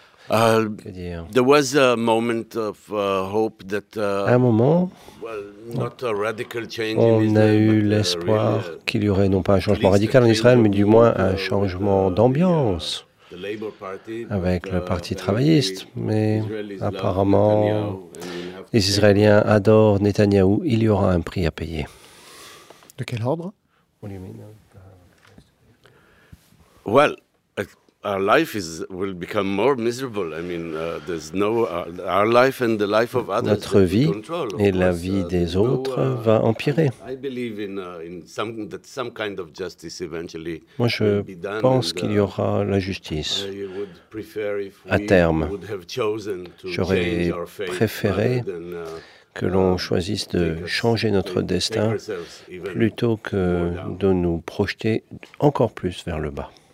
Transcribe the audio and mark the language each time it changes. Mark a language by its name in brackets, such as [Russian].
[English] There was a moment of hope that. [French] Un moment. [English] Well, not a radical change. [French] On a eu l'espoir qu'il y aurait non pas un changement radical en Israël, mais du moins un changement d'ambiance avec le Parti travailliste. Mais apparemment, les Israéliens adorent Netanyahou. Il y aura un prix à payer. De quel ordre? [English] Well. Our life will become more miserable. I mean, there's no our life and the life of others. [French] Notre vie et la vie des autres va empirer. [English] I believe in some that some kind of justice eventually. [French] Moi, je pense qu'il y aura la justice à terme. J'aurais préféré que l'on choisisse de changer notre destin plutôt que de nous projeter encore plus vers le bas.